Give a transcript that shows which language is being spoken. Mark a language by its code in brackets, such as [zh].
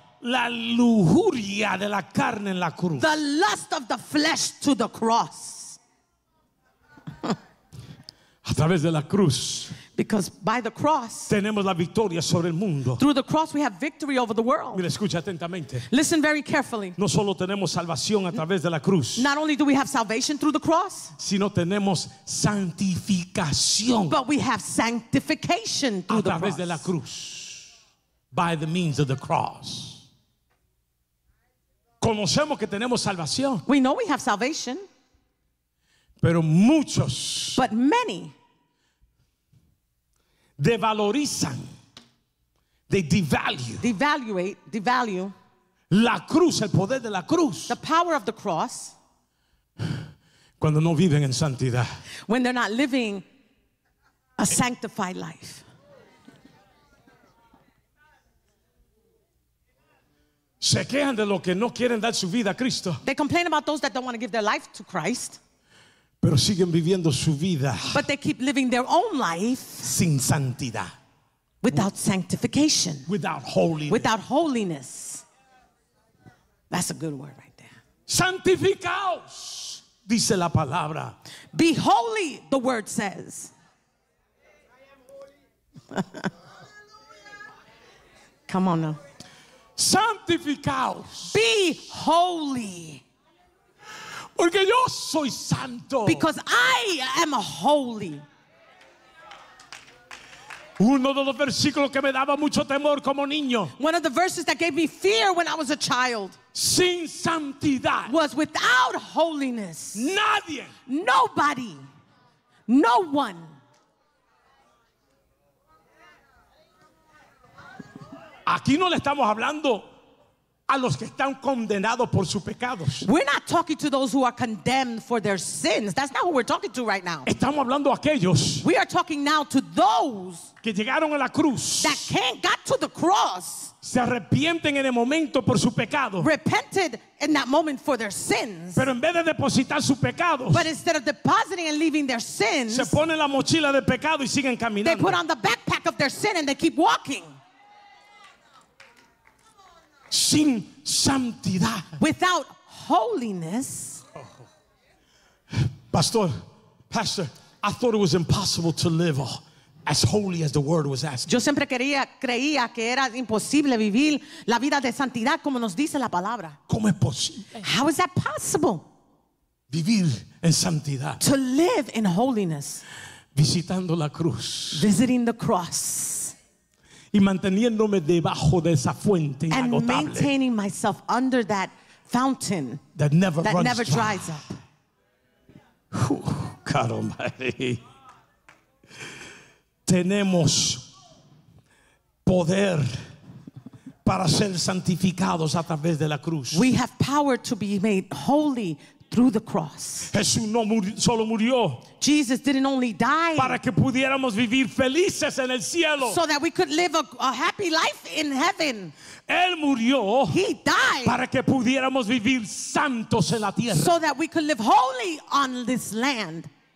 [es] La lujuria de la carne en la cruz. [en] The lust of the flesh to the cross. [es] A través de la cruz. [en] Because by the cross, [es] tenemos la victoria sobre el mundo. [en] Through the cross, we have victory over the world. [es] Mira, escucha atentamente. [en] Listen very carefully. [es] No solo tenemos salvación a través de la cruz. [en] Not only do we have salvation through the cross, [es] sino tenemos santificación. [en] But we have sanctification through [es] a través [en] the cross. [es] De la cruz. [en] By the means of the cross. [es] Conocemos que tenemos salvación. [en] We know we have salvation. [es] Pero muchos. [en] But many. Devalorizan, they devalue, devaluate, devalue [es] la cruz, el poder de la cruz, [en] the power of the cross, [es] cuando no viven en santidad, [en] when they're not living a sanctified life. [es] Se quejan de los que no quieren dar su vida a Cristo. [en] They complain about those that don't want to give their life to Christ. [es] Pero siguen viviendo su vida. [en] But they keep living their own life. [es] Sin santidad. [en] Without sanctification. Without holiness. Without holiness. That's a good word right there. [es] Santificaos, dice la palabra. [en] Be holy, the word says. Come on now. [es] Santificaos. [en] Be holy. [es] Porque yo soy santo. [en] Because I am holy. [es] Uno de los versículos que me daba mucho temor como niño. [en] One of the verses that gave me fear when I was a child. [es] Sin santidad. [en] Was without holiness. [es] Nadie. [en] Nobody. No one. [es] Aquí no le estamos hablando a los que están condenados por sus pecados. [en] We're not talking to those who are condemned for their sins. That's not who we're talking to right now. [es] Estamos hablando a aquellos. [en] We are talking now to those [es] que llegaron a la cruz. [en] That can't got to the cross. [es] Se arrepienten en el momento por su pecado. [en] Repented in that moment for their sins. [es] Pero en vez de depositar sus pecados, [en] but instead of depositing and leaving their sins, [es] se ponen la mochila de pecado y siguen caminando. [en] They put on the backpack of their sin and they keep walking. [es] Sin santidad. [en] Without holiness. Pastor, I thought it was impossible to live as holy as the word was asking. [es] Yo siempre creía que era imposible vivir la vida de santidad como nos dice la palabra. ¿Cómo es posible? [en] How is that possible? [es] Vivir en santidad. [en] To live in holiness. [es] Visitando la cruz. [en] Visiting the cross. [es] Y manteniéndome debajo de esa fuente inagotable. [en] And maintaining myself under that fountain that never, that runs never dries up. God Almighty. [es] Tenemos poder para ser santificados a través de la cruz. [en] We have power to be made holy through the cross. [es] Jesús no solo murió. [en] Jesus didn't only die. [es] Para que pudiéramos vivir felices en el cielo. [en] So that we could live a happy life in heaven. [es] Él murió. [en] He died. [es] Para que pudiéramos vivir santos en la tierra. [en] So that we could live holy on this land.